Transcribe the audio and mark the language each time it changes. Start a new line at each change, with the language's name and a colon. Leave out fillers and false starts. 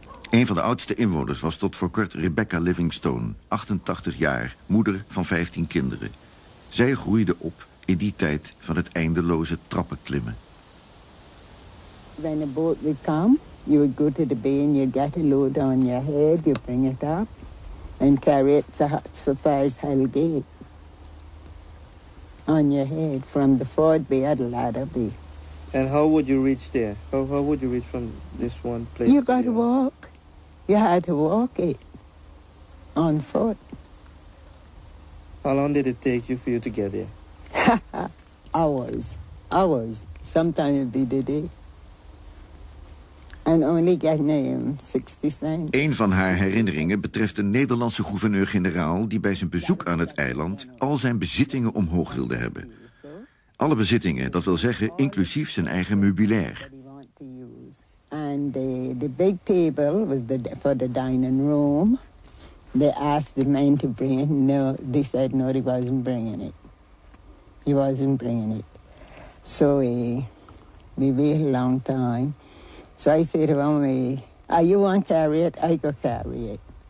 Dutch: Een van de oudste inwoners was tot voor kort Rebecca Livingstone, 88 jaar, moeder van 15 kinderen. Zij groeide op in die tijd van het eindeloze trappenklimmen.
English: When a boat would come, you would go to the bay and you'd get a load on your head, you'd bring it up and carry it to Hatsfield's Hill Gate. On your head, from the Ford Bay at Ladder Bay. And how would you reach there? How would you reach from this one place? You got to walk. You had to walk it on foot. How long did it take you for you to get there? hours. Sometimes it'd be the day. And only getting him 60 cents.
Dutch: Een van haar herinneringen betreft een Nederlandse gouverneur-generaal die bij zijn bezoek aan het eiland al zijn bezittingen omhoog wilde hebben. Alle bezittingen, dat wil zeggen inclusief zijn eigen meubilair.
English: And the big table was for the dining room. They asked the men to bring it. No, they said no, he wasn't bringing it. So we waited a long time. So I said to him, you want to carry it? I go carry it.